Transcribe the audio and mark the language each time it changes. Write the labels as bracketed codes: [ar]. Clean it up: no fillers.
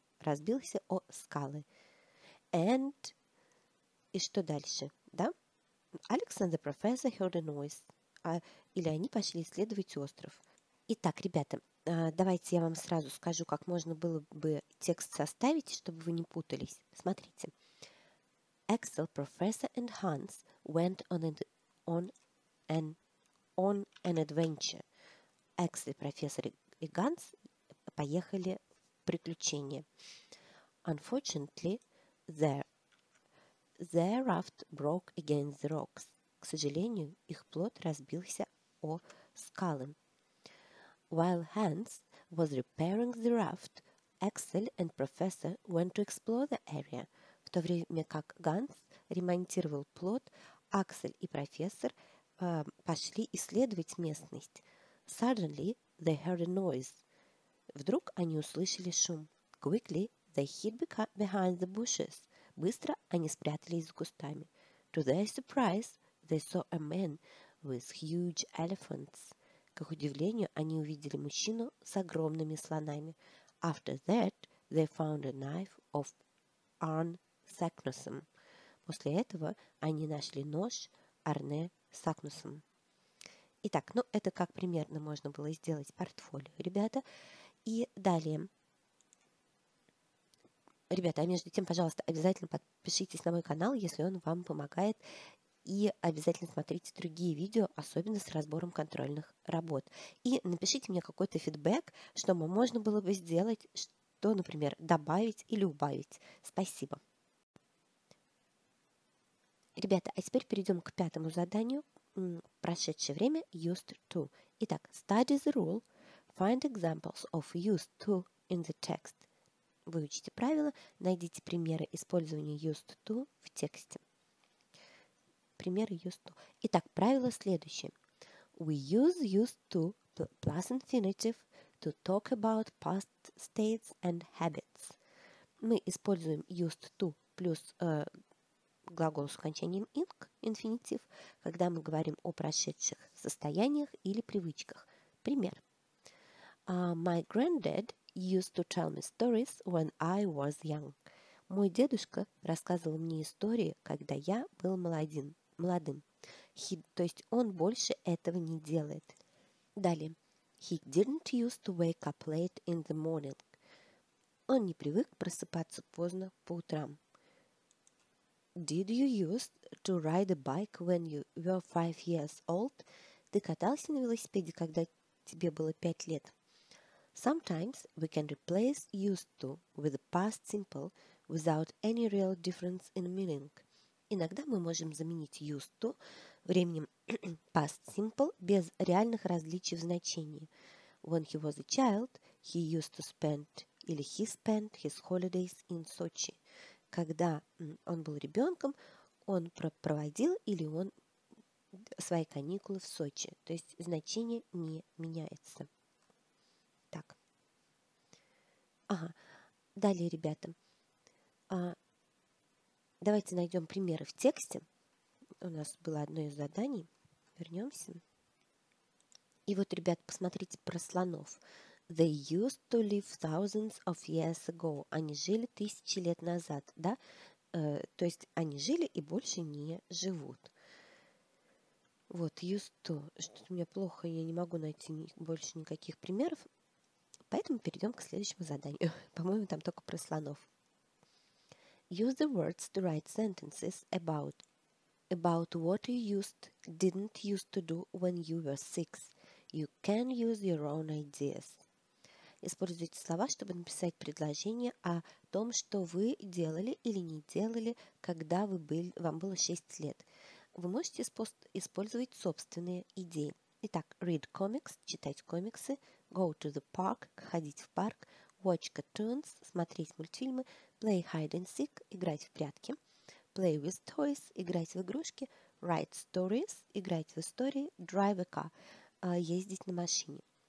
[ru] Разбился о скалы. And и что дальше, да? [en] Alex and the professor heard a noise. [ru] Или они пошли исследовать остров. Итак, ребята, давайте я вам сразу скажу, как можно было бы текст составить, чтобы вы не путались. Смотрите. [en] Axel, professor and Hans went on an adventure. [ru] Axel, профессор и Ганс поехали в приключение. [en] Unfortunately, their raft broke against the rocks. [ru] К сожалению, их плот разбился о скалы. [en] While Hans was repairing the raft, Axel and professor went to explore the area. [ru] В то время как Ганс ремонтировал плот, Аксель и профессор пошли исследовать местность. [en] Suddenly, they heard a noise. [ru] Вдруг они услышали шум. [en] Quickly, they hid behind the bushes. [ru] Быстро они спрятались за кустами. [en] To their surprise, they saw a man with huge elephants. [ru] К их удивлению, они увидели мужчину с огромными слонами. [en] After that, they found a knife of Arne Saknussemm. [ru] После этого они нашли нож Арне Сакнусом. Итак, ну, это как примерно можно было сделать портфолио, ребята. И далее. Ребята, а между тем, пожалуйста, обязательно подпишитесь на мой канал, если он вам помогает. И обязательно смотрите другие видео, особенно с разбором контрольных работ. И напишите мне какой-то фидбэк, что можно было бы сделать, что, например, добавить или убавить. Спасибо. Ребята, а теперь перейдем к пятому заданию. Прошедшее время [en] used to. [ru] Итак, [en] study the rule. Find examples of used to in the text. [ru] Выучите правила, найдите примеры использования used to в тексте. пример used to. Итак, правило следующее. [en] We use used to plus infinitive to talk about past states and habits. [ru] Мы используем used to плюс глагол с окончанием ing, infinitive, когда мы говорим о прошедших состояниях или привычках. Пример. [en] My granddad used to tell me stories when I was young. [ru] Мой дедушка рассказывал мне истории, когда я был молодым. То есть он больше этого не делает. Далее. [en] He didn't used to wake up late in the morning. [ru] Он не привык просыпаться поздно по утрам. [en] Did you used to ride a bike when you were 5 years old? [ru] Ты катался на велосипеде, когда тебе было 5 лет? [en] Sometimes we can replace used to with the past simple without any real difference in meaning. [ru] Иногда мы можем заменить used to временем past simple без реальных различий в значении. [en] When he was a child, he used to spend [ru] или [en] he spent his holidays in Sochi. [ru] Когда он был ребенком, он проводил или он свои каникулы в Сочи. То есть значение не меняется. Так. Ага. Далее, ребята. Давайте найдем примеры в тексте. У нас было одно из заданий. Вернемся. И вот, ребят, посмотрите про слонов. [en] They used to live thousands of years ago. [ru] Они жили 1000 лет назад, да? То есть они жили и больше не живут. Вот, used to. Что-то у меня плохо, я не могу найти больше никаких примеров. Поэтому перейдем к следующему заданию. По-моему, там только про слонов. [en] Use the words to write sentences about what you used, didn't used to do when you were six. You can use your own ideas. [ru] Используйте слова, чтобы написать предложение о том, что вы делали или не делали, когда вам было 6 лет. Вы можете использовать собственные идеи. Итак, [en] read comics, [ru] читать комиксы, [en] go to the park, [ru] ходить в парк, [en] watch cartoons, [ru] смотреть мультфильмы, [en] play hide and seek, [ru] играть в прятки, [en] play with toys, [ru] играть в игрушки, [en] write stories, [ru] играть в истории, [en] drive a car, [ru] ездить на машине.